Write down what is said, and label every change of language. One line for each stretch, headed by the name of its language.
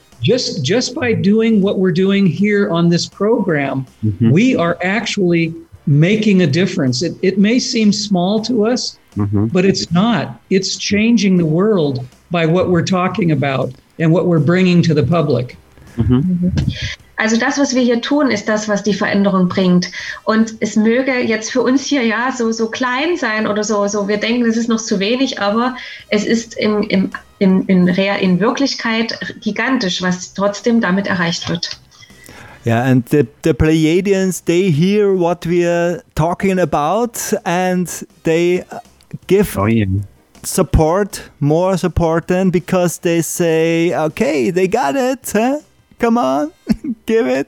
English: Just by doing what we're doing here on this program, we are actually making a difference. It may seem small to us, but it's not. It's changing the world by what we're talking about and what we're bringing to the public. Mm-hmm.
German: Also das, was wir hier tun, ist das, was die Veränderung bringt. Und es möge jetzt für uns hier so klein sein oder so. Wir denken, es ist noch zu wenig, aber es ist in Wirklichkeit gigantisch, was trotzdem damit erreicht wird.
English: Yeah, and the Pleiadians, they hear what we are talking about and they give support, more support then, because they say, okay, they got it. Huh? Come on, give it.